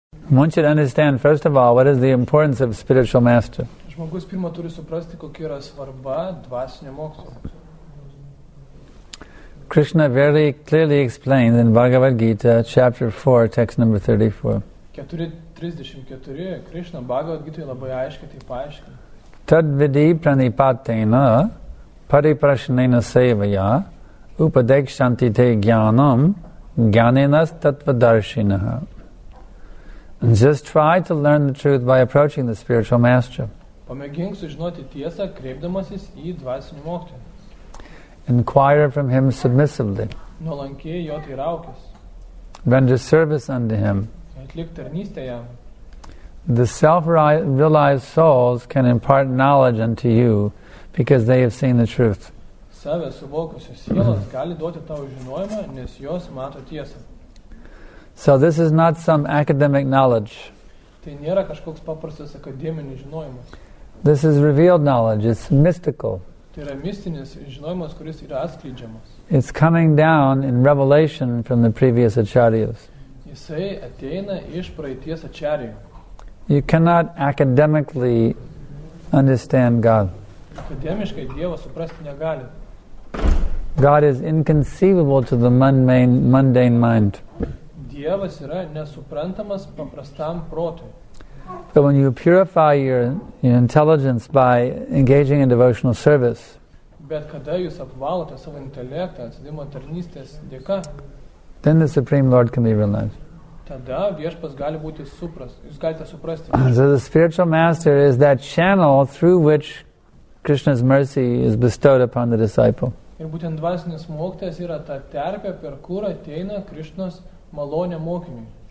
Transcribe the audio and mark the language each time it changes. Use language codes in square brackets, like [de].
[en] I want you to understand, first of all, what is the importance of spiritual master. [lt] Žmogus pirma turi suprasti, kokia yra svarba dvasinio mokslo. [en] Krishna very clearly explains in Bhagavad Gita, chapter 4, text number 34. [lt] 34, Krishna Bhagavad Gita labai aiškiai tai paaiškina. [sa] Tad vidi pranipatena pariprashnena sevaya upadekshanti te jnanam jnaninas tatvadarshinaha. [en] Just try to learn the truth by approaching the spiritual master. [lt] Pamėgink sužinoti tiesą, kreipdamasis į dvasinį mokytoją. [en] Inquire from him submissively. [lt] Nuolankiai jo teiraukis. [en] Render service unto him. [lt] Atlik tarnystę jam. [en] The self-realized souls can impart knowledge unto you because they have seen the truth. [lt] Save suvokusios sielos gali duoti tavo žinojimą, nes jos mato tiesą. [en] So this is not some academic knowledge. [lt] Tai nėra kažkoks paprastas akademinis žinojimas. [en] This is revealed knowledge. It's mystical. [lt] Tai yra mistinis žinojimas, kuris yra atskleidžiamas. [en] It's coming down in revelation from the previous acharyas. [lt] Jisai ateina iš praeities acharyų. [en] You cannot academically understand God. [lt] Akademiškai Dievą suprasti negali. [en] God is inconceivable to the mundane mind. [lt] Dievas yra nesuprantamas paprastam protui. [en] But when you purify your intelligence by engaging in devotional service, [lt] bet kada jūs apvalote savo intelektą atsidimo tarnystės dėka, [en] then the Supreme Lord can be realized. [lt] Tada viešpas gali būti suprastas. Jūs galite suprasti. [en] So the spiritual master is that channel through which Krishna's mercy is bestowed upon the disciple. [lt] Ir būtent dvasinis mokytas yra ta terpė, per kur ateina Krishnos malonė mokiniui.